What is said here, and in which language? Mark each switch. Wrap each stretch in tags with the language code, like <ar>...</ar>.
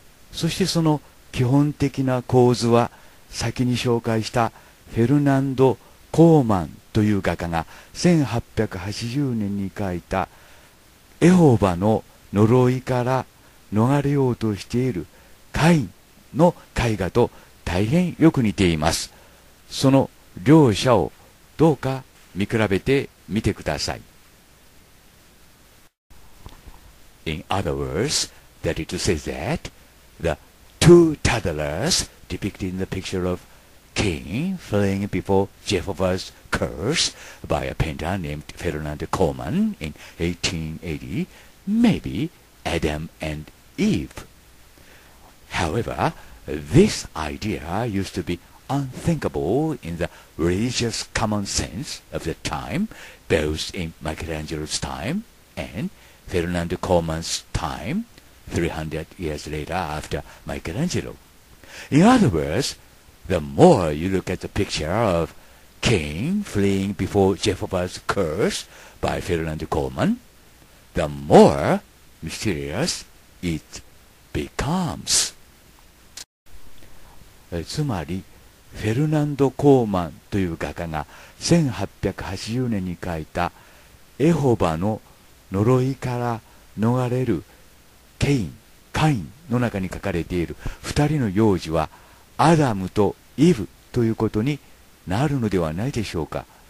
<ja>そしてその基本的な構図は、先に紹介したフェルナンド・コーマンという画家が1880年に描いたエホバの呪いから逃れようとしているカインの絵画と大変よく似ています。その両者をどうか見比べてみてください。</ja> <en>In other words, that is to say that the two toddlers depicted in the picture of K king fleeing before Jehovah's curse by a painter named Ferdinand Coleman in 1880, maybe Adam and Eve. However, this idea used to be unthinkable in the religious common sense of the time, both in Michelangelo's time and Ferdinand Coleman's time, 300 years later after Michelangelo. In other words,The more you look at the picture of Cain fleeing before Jehovah's curse by Ferdinand Coleman, the more mysterious it becomes.</en> <ja>つまり、フェルナンド・コーマンという画家が1880年に描いたエホバの呪いから逃れるカインの中に描かれている二人の幼児はアダムとイブということになるのではないでしょうか。</ja>